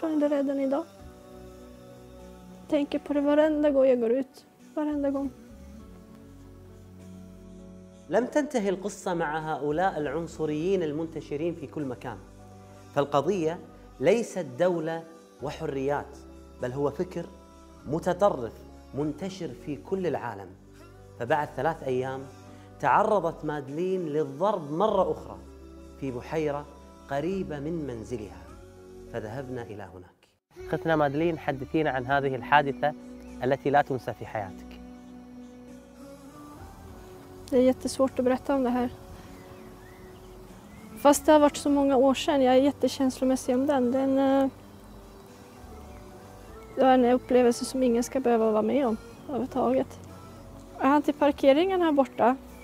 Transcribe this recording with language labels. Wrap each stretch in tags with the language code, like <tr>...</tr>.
<sv>Redan idag. Tänker på det varenda gång jag går ut. Varenda gång.</sv> <ar>لم تنتهي القصة مع هؤلاء العنصريين المنتشرين في كل مكان. فالقضية ليست دولة وحريات، بل هو فكر متطرف منتشر في كل العالم. فبعد 3 أيام تعرضت مادلين للضرب مرة أخرى في بحيرة قريبة من منزلها. فذهبنا إلى هناك. أختنا مادلين حدثينا عن هذه الحادثة التي لا تنسى في حياتك.</ar> <sv>Det är jättesvårt att berätta om det här. Fast det har varit så många år sedan. Jag är jättekänslomässig om den. Det är en upplevelse som ingen ska behöva vara med om överhuvudtaget. Jag hann till parkeringen här borta.</sv>